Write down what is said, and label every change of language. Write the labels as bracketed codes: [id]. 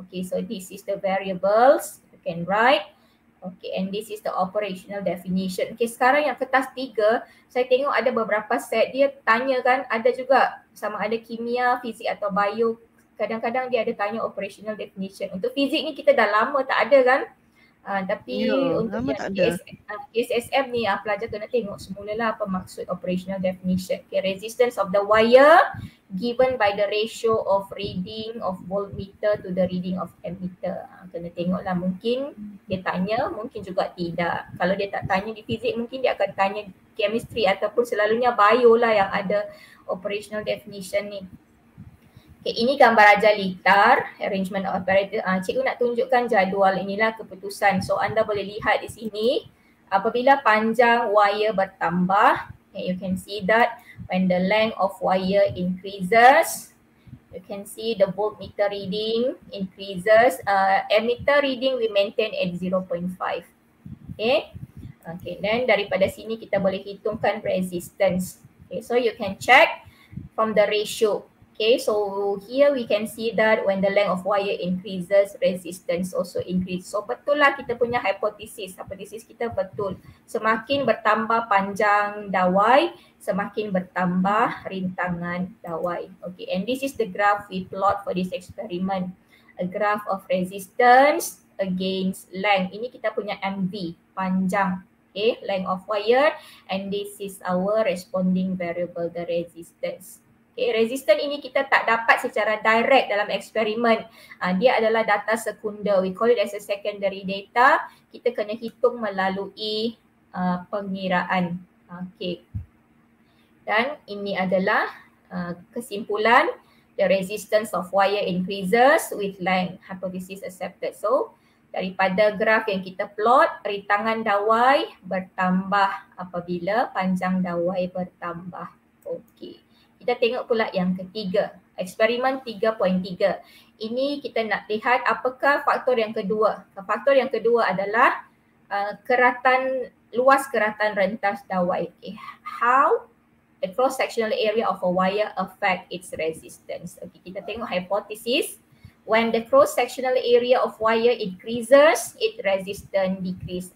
[en] Okay, so this is the variables you can write. Okay, and this is the operational definition. [ms] Okay, sekarang yang kertas 3, saya tengok ada beberapa set dia tanya kan, ada juga sama ada kimia, fizik atau bio. Kadang-kadang dia ada tanya operational definition. Untuk fizik ni kita dah lama tak ada kan? Tapi untuk KSSM ni pelajar kena tengok semula lah apa maksud operational definition. [en] Okay, resistance of the wire given by the ratio of reading of voltmeter to the reading of ammeter. [ms] Kena tengok lah, mungkin dia tanya, mungkin juga tidak. Kalau dia tak tanya di fizik, mungkin dia akan tanya chemistry ataupun selalunya bio lah yang ada operational definition ni. Okay, ini gambar ajar litar, [en] arrangement of apparatus. [ms] Cikgu nak tunjukkan jadual, inilah keputusan. So anda boleh lihat di sini, apabila panjang wire bertambah, [en] okay, you can see that when the length of wire increases, you can see the voltmeter reading increases. Ammeter reading we maintain at 0.5. Okay. Okay, then [ms] daripada sini kita boleh hitungkan resistance. [en] Okay, so you can check from the ratio. Okay, so here we can see that when the length of wire increases, resistance also increase. [ms] So betul lah kita punya hypothesis. Hypothesis kita betul. Semakin bertambah panjang dawai, semakin bertambah rintangan dawai. [en] Okay, and this is the graph we plot for this experiment. A graph of resistance against length. [ms] Ini kita punya MV, panjang. [en] Okay, length of wire. And this is our responding variable, the resistance. [ms] Okay, resistance ini kita tak dapat secara direct dalam eksperimen. Dia adalah data sekunder. [en] We call it as a secondary data. [ms] Kita kena hitung melalui pengiraan. Okay. Dan ini adalah kesimpulan. [en] The resistance of wire increases with length. Hypothesis accepted. [ms] So, daripada graf yang kita plot, rintangan dawai bertambah apabila panjang dawai bertambah. Okey. Kita tengok pula yang ketiga. Eksperimen 3.3. Ini kita nak lihat apakah faktor yang kedua. Faktor yang kedua adalah keratan, luas keratan rentas dawai. Okay. [en] How the cross-sectional area of a wire affect its resistance. [ms] Okey, kita tengok hypothesis. [en] When the cross-sectional area of wire increases, its resistance decrease.